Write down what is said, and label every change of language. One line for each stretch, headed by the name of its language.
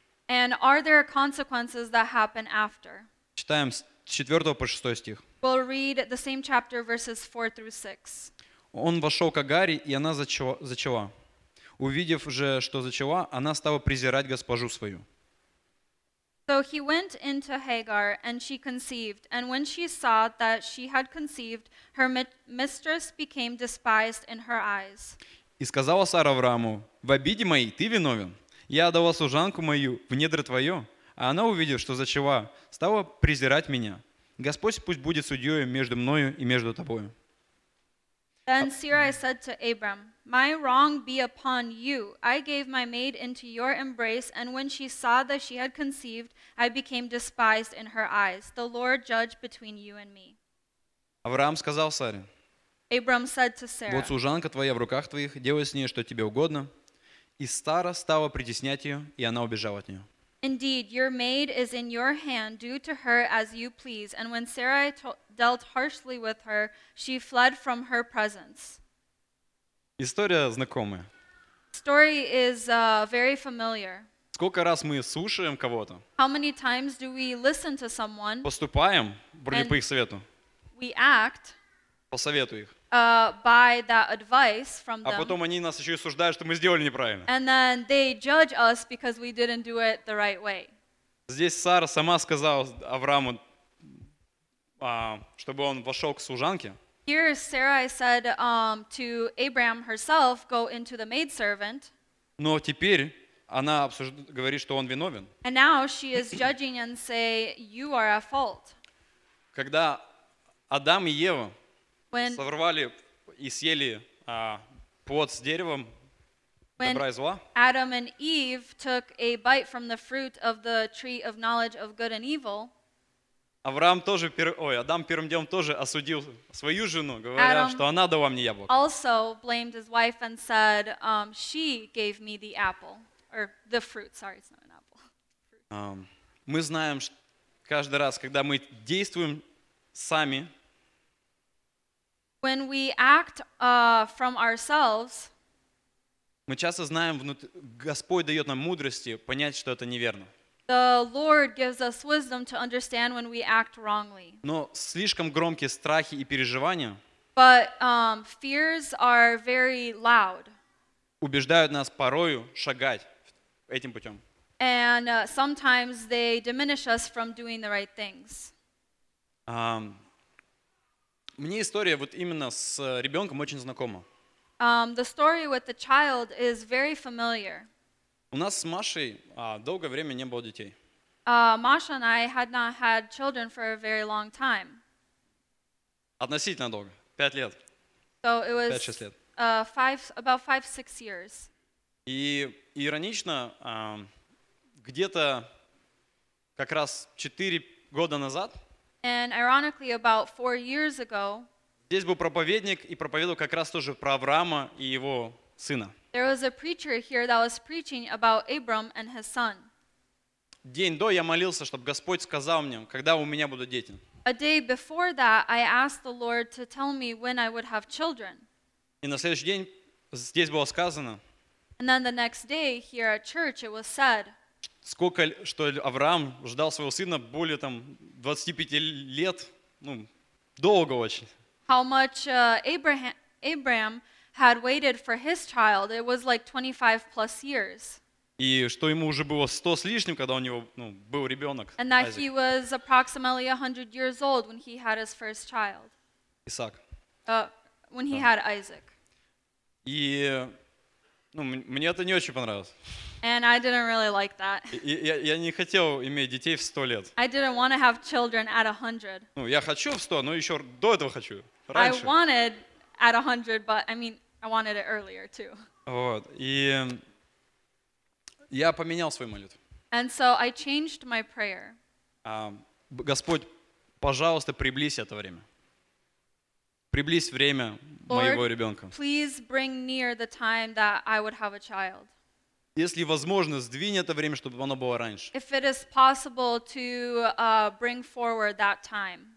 English: And are there consequences that happen after?
Russian: Читаем с 4 по 6 стих.
English: We'll read the same chapter, verses 4 through 6.
Russian: Он вошел к Агаре, и она зачала. Увидев же, что зачала, она стала презирать госпожу свою.
English: So he went into Hagar, and she conceived. And when she saw that she had conceived, her mistress became despised in her eyes.
Russian: И сказала Сара Аврааму, «В обиде моей ты виновен. Я отдала служанку мою в недра твое. А она, увидев, что зачала, стала презирать меня». Господь пусть будет судьёй между мною и между тобою.
English: Then Sarai said to Abram, My wrong be upon you. I gave my maid into your embrace, and when she saw that she had conceived, I became despised in her eyes. The Lord judge between you and me.
Russian: Авраам сказал Саре,
English: Abram said to Sarah,
Russian: Вот служанка твоя в руках твоих, делай с ней, что тебе угодно. И Сара стала притеснять её, и она убежала от неё.
English: Indeed, your maid is in your hand. Do to her as you please. And when Sarai dealt harshly with her, she fled from her presence.
Russian: История знакомая.
English: Story is very familiar.
Russian: Сколько раз мы слушаем кого-то?
English: How many times do we listen to someone?
Russian: Поступаем вроде по их совету.
English: We act.
Russian: По совету их.
English: By that advice from them.
Russian: А потом они нас еще и осуждают, что мы сделали неправильно.
English: And then they judge us because we didn't do it the right way.
Russian: Здесь Сара сама сказала Аврааму, чтобы он вошел к служанке.
English: Here Sarai said to Abraham herself, go into the maidservant.
Russian: Но теперь она говорит, что он виновен.
English: And now she is judging and say, you are at fault.
Russian: Когда Адам и Ева сорвали и съели плод с деревом добра и зла.
English: Adam and Eve took a bite from the fruit of the tree of knowledge of good and evil.
Russian: Адам первым делом тоже осудил свою жену, говоря,
English: Adam
Russian: что она дала мне яблоко.
English: Also blamed his wife and said she gave me the apple or the fruit. Sorry, it's not an apple.
Russian: Мы знаем, что каждый раз, когда мы действуем сами.
English: When we act from ourselves,
Russian: мы часто знаем, Господь дает нам мудрости понять, что это неверно.
English: The Lord gives us wisdom to understand when we act wrongly.
Russian: Но слишком громкие страхи и переживания,
English: but fears are very loud,
Russian: убеждают нас порою шагать этим путем.
English: And sometimes they diminish us from doing the right things.
Russian: Мне история вот именно с ребенком очень знакома.
English: The story with the child is very familiar.
Russian: У нас с Машей долгое время не было детей.
English: Masha and I had not had children for a very long time.
Russian: Относительно долго, 5 лет.
English: So it was
Russian: 5-6 лет.
English: About 5-6 years.
Russian: И иронично, где-то как раз 4 года назад.
English: And ironically, about 4 years ago,
Russian: здесь был проповедник и проповедовал как раз тоже про Авраама и его сына.
English: There was a preacher here that was preaching about Abram and his son.
Russian: День до я молился, чтобы Господь сказал мне, когда у меня будут дети.
English: A day before that, I asked the Lord to tell me when I would have children.
Russian: И на следующий день здесь было сказано.
English: And then the next day, here at church, it was said.
Russian: Сколько, что Авраам ждал своего сына более там 25 лет, долго очень.
English: How much Abraham had waited for his child. It was like 25 plus years.
Russian: И что ему уже было 100 с лишним, когда у него, ну, был ребенок.
English: And that Isaac. He was approximately 100 years old when he had his first child.
Russian: Исаак.
English: When he had Isaac.
Russian: И, ну, мне это не очень понравилось.
English: And I didn't really like that.
Russian: Я не хотел иметь детей в 100 лет.
English: I didn't want to have children at 100.
Russian: Ну, я хочу в 100, но еще до этого хочу.
English: I wanted at 100, but I mean, I wanted it earlier too.
Russian: Вот, и я поменял свою молитву.
English: And so I changed my prayer.
Russian: Господь, пожалуйста, приблизь это время. Приблизь время моего ребенка.
English: Please bring near the time that I would have a child.
Russian: Если возможно, сдвинь это время, чтобы оно было раньше.
English: If it is possible to bring forward that time.